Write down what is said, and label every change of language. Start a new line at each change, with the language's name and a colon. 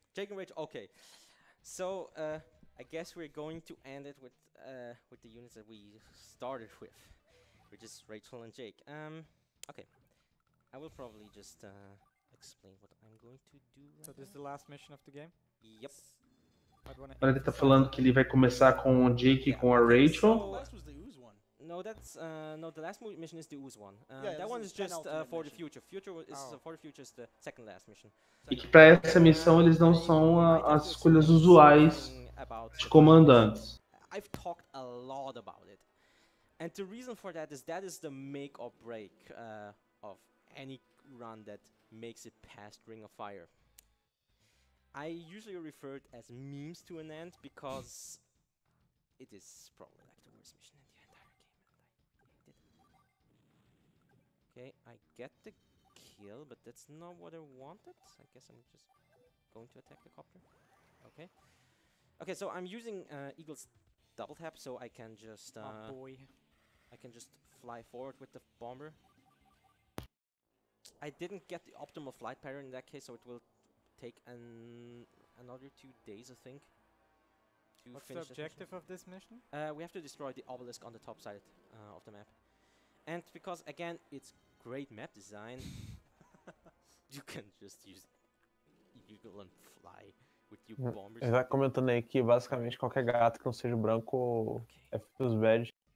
English: Jake and Rachel. Okay. So I guess we're going to end it with the units that we started with, which is Rachel and Jake. Okay. I will probably just explain what I'm going to do. So this is the last mission of the game. Yep.
Portuguese: Agora ele tá falando que ele vai começar com o Jake e com a Rachel.
English: No, that's the last mission is the Ooze one. That one is just for the future. Future is for the future is the second last mission.
Portuguese: E que para essa missão eles não são as escolhas usuais de comandantes.
English: I've talked a lot about it. And the reason for that is the make or break of any run that makes it past Ring of Fire. I usually refer it as memes to an end because it is probably like the worst mission in the entire game. Okay, I get the kill, but that's not what I wanted. I guess I'm just going to attack the copter. Okay. Okay, so I'm using Eagle's double tap, so I can just I can just fly forward with the bomber. I didn't get the optimal flight pattern in that case, so it will take another 2 days, I think. What's the objective of this mission? We have to destroy the obelisk on the top side of the map. And because, again, it's great map design, you can just use Eagle and fly with your bombers.
Portuguese: Ele tá comentando aí que basicamente qualquer gato que não seja branco é
English: feels bad.